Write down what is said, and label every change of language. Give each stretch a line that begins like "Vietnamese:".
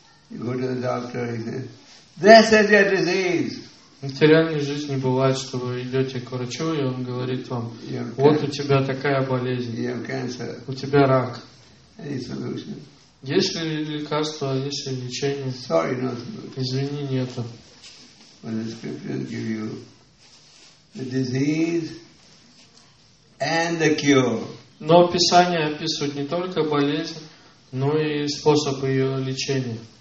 English: You go to the doctor, he says, this is your disease.
Russian: В материальной жизни бывает, что вы идете к врачу, и он говорит вам, вот у тебя такая болезнь.
English: You have cancer.
Russian: У тебя рак.
English: Any solution?
Russian: Есть ли лекарство, есть ли лечение?
English: Sorry, no solution.
Russian: Извини, нету.
English: But the scriptures give you the disease and the cure.
Russian: Но Писание описывает не только болезнь, но и способ ее лечения.